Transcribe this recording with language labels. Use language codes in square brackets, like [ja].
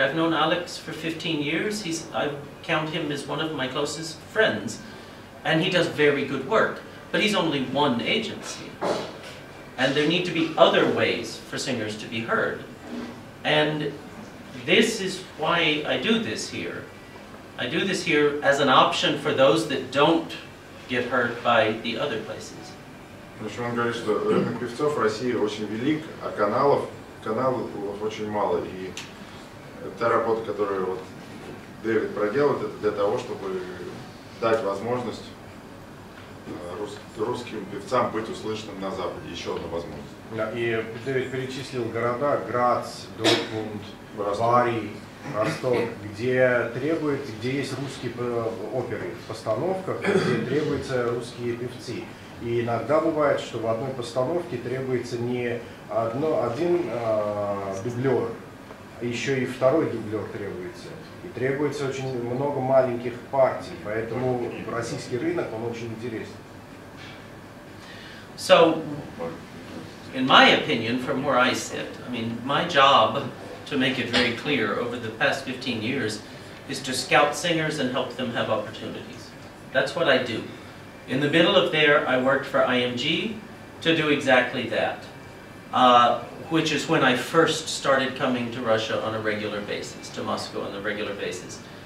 [en] I've known Alex for 15 years. I count him as one of my closest friends, and he does very good work, but he's only one agency. And there need to be other ways for singers to be heard. And this is why I do this here. I do this here as an option for those that don't get hurt by the other places. [ru] Значит, он говорит, что рынок певцов в России очень велик, а каналов очень мало. И та работа, которую вот Дэвид проделывает, это для того, чтобы дать возможность русским певцам быть услышанным на Западе. Еще одна возможность. Да, и Дэвид перечислил города: Грац, Дортмунд, Бари, Росток, где есть русские оперы в постановках, где требуются русские певцы. И иногда бывает, что в одной постановке требуется не один дублер, а еще и второй дублер требуется. И требуется очень много маленьких партий, поэтому российский рынок, он очень интересен. [en] So... In my opinion, from where I sit, I mean, my job, to make it very clear, over the past 15 years, is to scout singers and help them have opportunities. That's what I do. In the middle of there, I worked for IMG to do exactly that, which is when I first started coming to Russia on a regular basis, to Moscow on a regular basis.